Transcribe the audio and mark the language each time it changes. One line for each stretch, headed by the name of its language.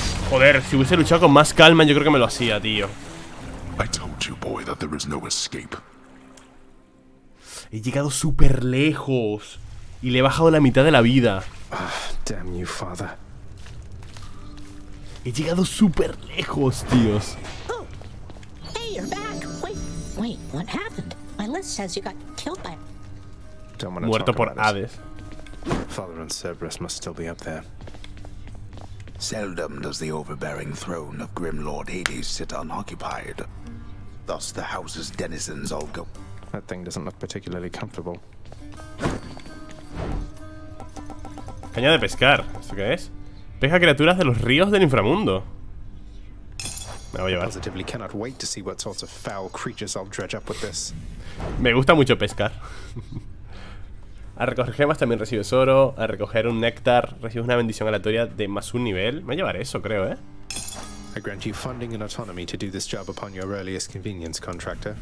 Spanish: Joder, si hubiese luchado con más calma, yo creo que me lo hacía, tío.
English: I told you, boy, that there is no escape.
Spanish: He llegado súper lejos y le he bajado la mitad de la vida.
English: Ah, damn you, father.
Spanish: He llegado súper lejos, tíos.
English: Oh, hey, you're back. Wait, what happened? My list says you got killed by.
Spanish: Muerto por Hades.
English: Father and Cerberus must still be up there. Seldom does the overbearing throne of Grim Lord Hades sit unoccupied. Thus, the house's denizens all go. That thing doesn't look particularly comfortable.
Spanish: Caña de pescar. ¿Esto qué es? Pesca criaturas de los ríos del inframundo. Me voy a llevar.
English: Positively cannot wait to see what sorts of foul creatures I'll dredge up with this.
Spanish: Me gusta mucho pescar. A recoger gemas también recibes oro. A recoger un néctar recibes una bendición aleatoria de más un nivel. Me voy a llevar eso, creo,
English: I grant you funding and autonomy to do this job upon your earliest convenience, contractor.